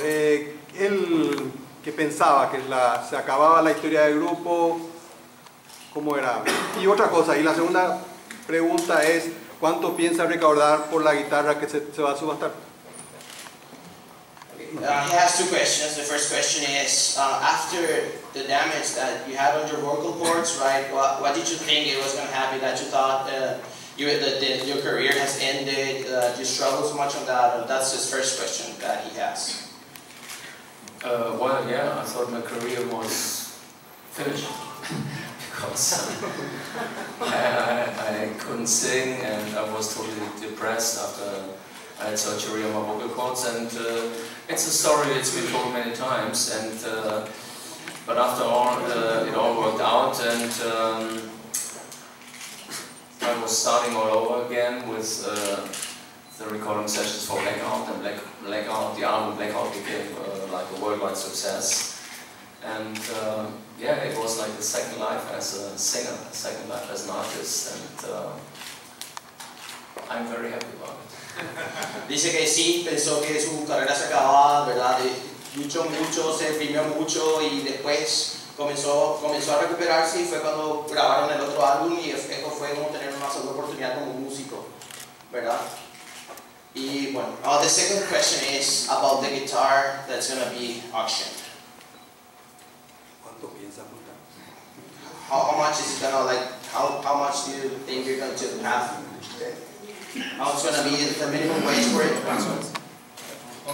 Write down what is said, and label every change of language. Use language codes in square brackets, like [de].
[es] Él que pensaba que se acababa la historia del grupo, ¿cómo era? Y otra cosa, y la segunda pregunta es, ¿cuánto piensa recaudar por la guitarra que se va a subastar? [en] He has two questions. The first question is, after the damage that you had on your vocal cords, right, what did you think it was going to happen, that you thought your career has ended, you struggled so much on that? That's his first question that he has. Well, yeah, I thought my career was finished because I couldn't sing and I was totally depressed after I had surgery on my vocal cords, and it's a story it's been told many times, and but after all, it all worked out, and I was starting all over again with the recording sessions for Blackout, and Blackout, the album Blackout became like a worldwide success, and yeah, it was like the second life as a singer, second life as an artist, and I'm very happy about it. [es] Dice que sí, pensó que su carrera se acababa, ¿verdad? Luchó mucho, se deprimió mucho y después comenzó a recuperarse y fue cuando grabaron el otro álbum y eso fue como tener una segunda oportunidad como músico, ¿verdad? Y bueno, [en] the second question is about the guitar that's going to be auctioned. [es] ¿Cuánto piensa montar? [en] How much is it going to, like, how much do you think you're going to have? how it's going to be the minimum wage for it?